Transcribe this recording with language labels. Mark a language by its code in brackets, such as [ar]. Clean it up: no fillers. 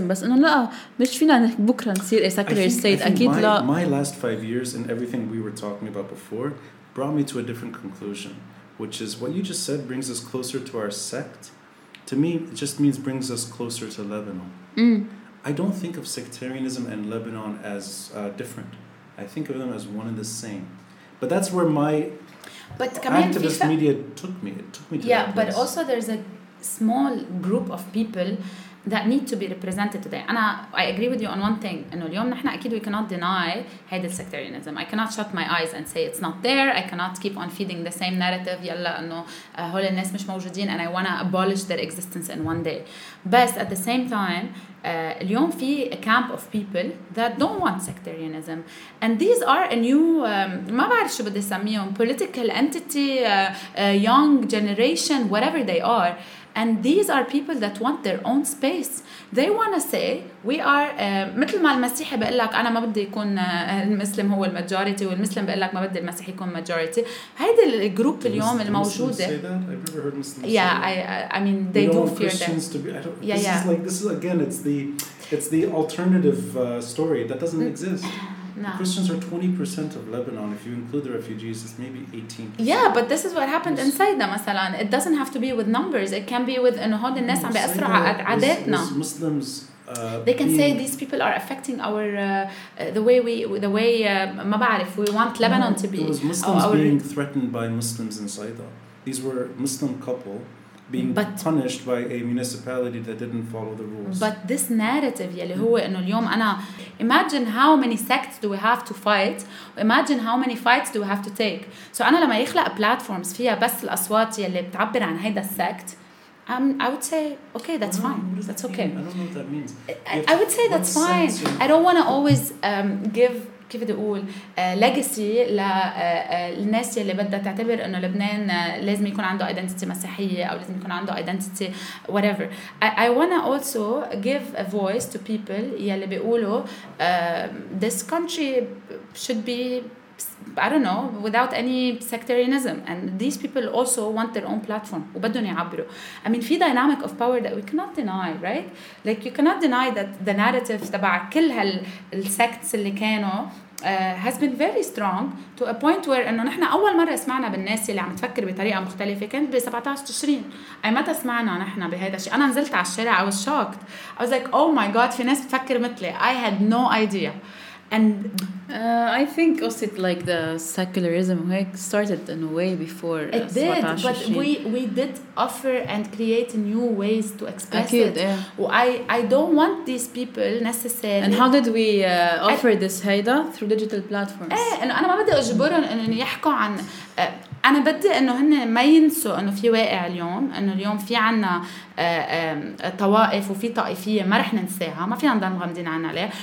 [ar] بس إنه لا مش فينا بكرة نصير a secular state. أكيد لا. [en] My last 5 years and everything we were talking about before brought me to a different conclusion, which is what you just said brings us closer to our sect. To me, it just means brings us closer to Lebanon. Mm. I don't think of sectarianism and Lebanon as different. I think of them as one and the same. But that's where my activist media took me. It took me to yeah, but also there's a small group of people that need to be represented today. And I agree with you on one thing. [ar] إنه اليوم نحنا أكيد [en] we cannot deny [ar] هيدا السكتيرينزم. [en] I cannot shut my eyes and say it's not there. I cannot keep on feeding the same narrative. [ar] يلا إنه هول الناس مش موجودين [en] and I wanna abolish their existence in one day. [ar] بس [en] at the same time, [ar] اليوم في [en] a camp of people that don't want sectarianism. And these are a new, [ar] ما بعرف شو بدي سميهم, [en] political entity, young generation, whatever they are. And these are people that want their own space. They want to say, we are, [ar] مثل ما المسيحي بقول لك أنا ما بدي يكون المسلم هو الماجوريتي والمسلم بقول لك ما بدي المسيحي يكون ماجوريتي. هيدي الجروب اليوم الموجودة. [en] Say that? I've never heard Muslims say that. Yeah, I mean, they do fear that. Christians to be, I don't, this yeah, yeah. is like, this is again, it's the alternative story that doesn't exist. No. Christians are 20% of Lebanon. If you include the refugees, it's maybe 18%. Yeah, but this is what happened in Saida, مثلاً. It doesn't have to be with numbers. It can be with [ar] إنه هاد الناس عم بيأثر على عاداتنا. [en] Muslims. They can say these people are affecting our the way [ar] ما بعرف [en] we want Lebanon to be. It was Muslims being threatened by Muslims in Saida. These were Muslim couple being punished by a municipality that didn't follow the rules. But this narrative, yeah, [ar] هو إنه اليوم أنا, [en] imagine how many sects do we have to fight? Imagine how many fights do we have to take? [ar] So أنا لما يخلق platforms فيها بس الأصوات يلي بتعبر عن هيدا السكت, [en] I would say, okay, that's fine. That's mean? Okay. I don't know what that means. I would say that's fine. I don't want to always give, [ar] كيف بدي أقول, legacy للناس اللي بدها تعتبر أنه لبنان لازم يكون عنده identity مسيحية أو لازم يكون عنده identity whatever. [en] I want to also give a voice to people [ar] يلي بيقولوا [en] this country should be, I don't know, without any sectarianism, and these people also want their own platform. [ar] وبدون يعبروا. [en] I mean, [ar] في [en] dynamic of power that we cannot deny, right? Like you cannot deny that the narrative [ar] تبع كل هالsects اللي كانوا [en] has been very strong to a point where [ar] إنه نحنا أول مرة سمعنا بالناس اللي عم تفكر بطريقة مختلفة كانت ب 17 تشرين. أي متى سمعنا نحنا بهذا الشيء؟ أنا نزلت على الشارع, [en] I was shocked. I was like, oh my god, [ar] في ناس بتفكر مثلي. [en] I had no idea. And I think also it, like the secularism started in a way before it did, but we did offer and create new ways to express [ar] Akid, [en] Yeah. I don't want these people necessarily. And how did we offer this [ar] هيدا [en] through digital platforms? [ar] إنه أنا ما بدي أجبرهم إنه يحكوا عن أنا بدي إنه هن ما ينسوا إنه في واقع اليوم, إنه اليوم في عنا طوائف وفي طائفية ما رح ننساها, ما فينا نضل غامضين عنها عليها.